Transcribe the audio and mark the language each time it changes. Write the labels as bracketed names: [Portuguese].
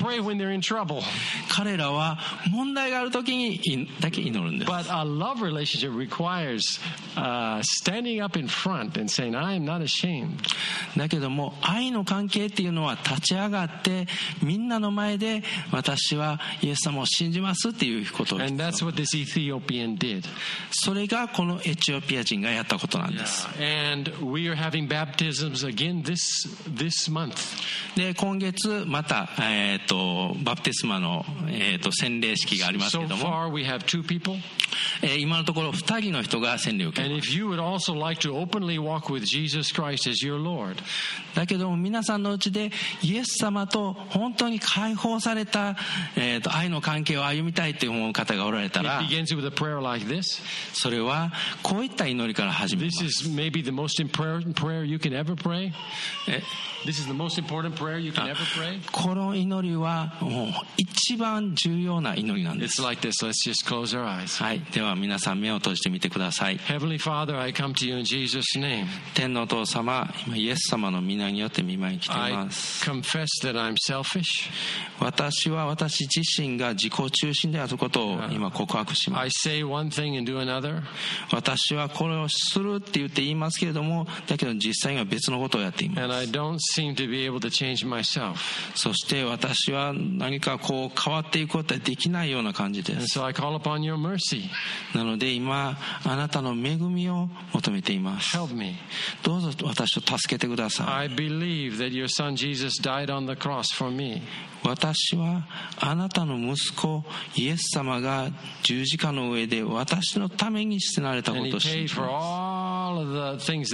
[English] They pray when they're in trouble. [Japanese] 彼らは問題があるときにだけ祈るんです。 [English] But a love relationship requires standing up in front and saying, I am not ashamed. [Japanese] だけども愛の関係っていうのは立ち上がってみんなの前で私はイエス様を信じますっていうことです。 [English] And that's what this Ethiopian did. [Japanese] それがこのエチオピア人がやったことなんです。 [English] Yeah. And we are having baptisms again this month. [Japanese] で今月また、バプテスマの、洗礼式がありますけども、 [English] So far we have two people. [Japanese] 今のところ2人の人が洗礼を受けます。 [English] And if you would also like to openly walk with Jesus Christ as your Lord. [Japanese] だけども皆さんのうちでイエス様と本当に解放された愛の関係を歩みたいという方がおられたら、 [English] It begins with a prayer like this. [Japanese] それはこういった祈りから始めます。 [English] This is maybe the most important prayer you can ever pray. This is the most important prayer you can ever pray. [Japanese] この祈りはもう一番重要な祈りなんです。 [English] It's like this. Let's just close our eyes. [Japanese] はい、では皆さん目を閉じてみてください。 [English] Heavenly Father, I come to you in Jesus' name. [Japanese] 天のお父様、今イエス様の御名によって御前に来ています。 [English] I confess that I'm selfish. [Japanese] 私は私自身が自己中心であることを今告白します。 [English] I say one thing and do another. [Japanese] 私はこれをするって言って言いますけれども、だけど実際には別のことをやっています。 [English] And I don't seem to be able to change myself. [Japanese] そして私は何かこう変わっていくことはできないような感じです。 [English] And so I call upon your mercy. [Japanese] なので今あなたの恵みを求めています。 [English] Help me. [Japanese] どうぞ私を助けてください。 [English] I believe that your son Jesus died on the cross for me. [Japanese] 私はあなたの息子イエス様が十字架の上で私のために死なれたことを信じます。